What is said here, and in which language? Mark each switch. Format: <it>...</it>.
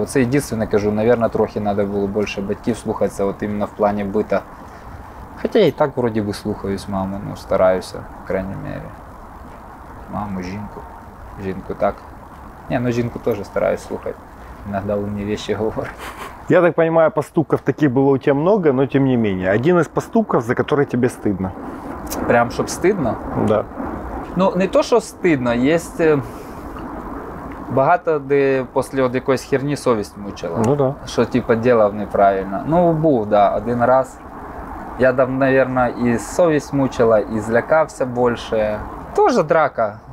<uk>Оце єдине, кажу, мабуть, трохи треба було більше батьків слухатися, от іменно в плані бита. Хоча я і так, вроді би, слухаюсь маму, ну, стараюся, в крайній мірі. Маму, жінку. Жінку так. Ні, ну, жінку теж стараюсь слухати. Іноді умні речі говорить.</uk> <ru>Я так понимаю, поступков таких было у тебя много, но тем не менее. Один из поступков, за который тебе стыдно. Прям, чтоб стыдно? Да.</ru> <uk>Ну, не то, що стидно, є багато, де після от якоїсь херні совість мучила. Ну, да. Що, типу, діла неправильно. Ну, був, да, один раз. Я там, наверное, і совість мучила, і злякався більше. Тоже драка.</uk>